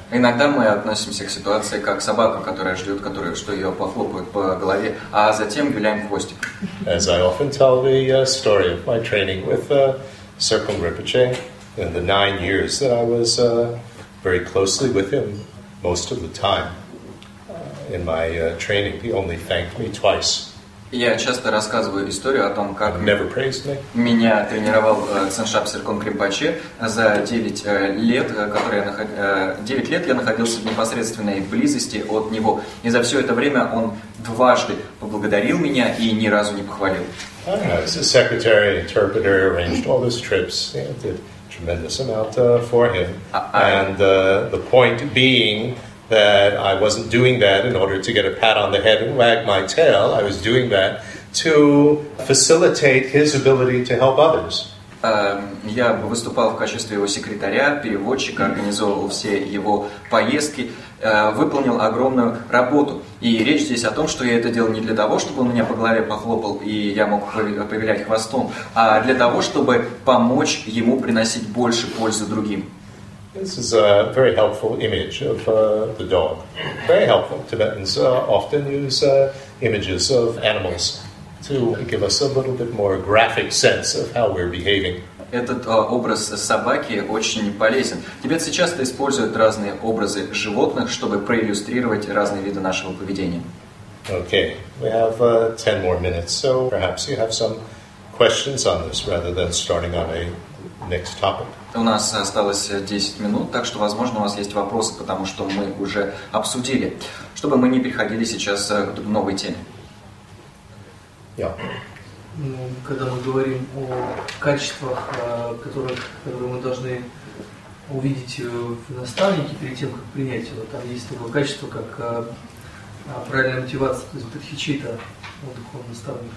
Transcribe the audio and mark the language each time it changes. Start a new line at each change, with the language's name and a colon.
Russian: Иногда мы относимся к ситуации как собака, которая ждет, что ее похлопают по голове, а затем виляем хвостик.
English: As I often tell the story of my training with Serpong Rinpoche, in the 9 years that I was very closely with him most of the time in my training, he only thanked me twice.
Russian: Я часто рассказываю историю о том, как
English: never praised me.
Russian: Меня тренировал Циншам Серкон Кримпаче за 9 лет я находился в непосредственной близости от него. И за все это время он дважды поблагодарил меня и ни разу не похвалил.
English: Secretary, interpreter, arranged all his trips. He did tremendous amount for him. The point being that I wasn't doing that in order to get a pat on the head and wag my tail. I was doing that to facilitate his ability to help others.
Russian: Я выступал в качестве его секретаря, переводчика, организовывал все его поездки, выполнил огромную работу. И речь здесь о том, что я это делал не для того, чтобы он меня по голове похлопал, и я мог повилять хвостом, а для того, чтобы помочь ему приносить больше пользы другим.
English: This is a very helpful image of the dog. Very helpful. Tibetans often use images of animals to give us a little bit more graphic sense of how we're behaving.
Russian: Этот образ собаки очень полезен. Тибетцы часто используют разные образы животных, чтобы проиллюстрировать разные виды нашего поведения.
English: Okay, we have 10 more minutes, so perhaps you have some questions on this rather than starting on a next topic.
Russian: У нас осталось 10 минут, так что, возможно, у вас есть вопросы, потому что мы уже обсудили, чтобы мы не переходили сейчас к новой теме. Yeah. Ну, когда мы говорим о качествах, которые мы должны увидеть в наставнике перед тем, как принять его, там есть такое качество, как правильная мотивация, то есть бодхичитта у духовного наставника.